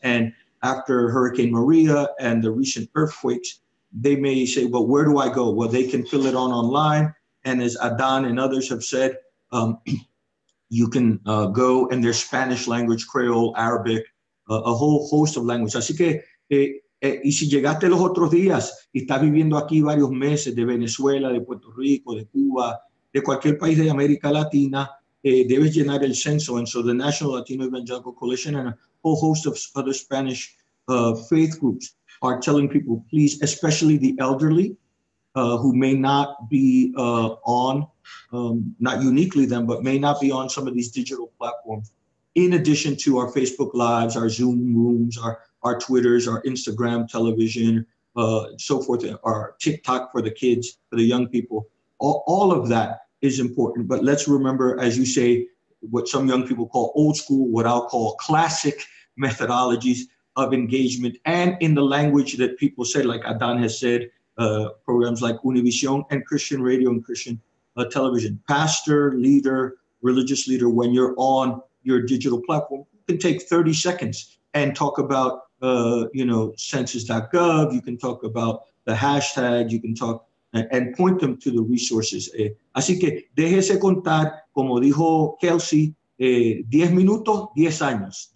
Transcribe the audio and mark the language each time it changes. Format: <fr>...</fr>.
<en>And after Hurricane Maria and the recent earthquakes, they may say, well, where do I go? Well, they can fill it on online. And as Adan and others have said, you can go, and there's Spanish language, Creole, Arabic, a whole host of languages.</en> <es>Así que, y si llegaste los otros días y estás viviendo aquí varios meses, de Venezuela, de Puerto Rico, de Cuba, de cualquier país de América Latina, debes llenar el censo.</es> <en>And so the National Latino Evangelical Coalition and a whole host of other Spanish faith groups are telling people, please, especially the elderly, who may not be on, not uniquely them, but may not be on some of these digital platforms, in addition to our Facebook Lives, our Zoom rooms, our Twitters, our Instagram television, so forth, our TikTok for the kids, for the young people. All of that is important. But let's remember, as you say, what some young people call old school, what I'll call classic methodologies of engagement, and in the language that people say, like Adan has said, programs like Univision and Christian radio and Christian television. Pastor, leader, religious leader, when you're on your digital platform, you can take 30 seconds and talk about, you know, census.gov. You can talk about the hashtag. You can talk and point them to the resources.</en> <es>Así que déjese contar, como dijo Kelsey, 10 minutos, 10 años.</es>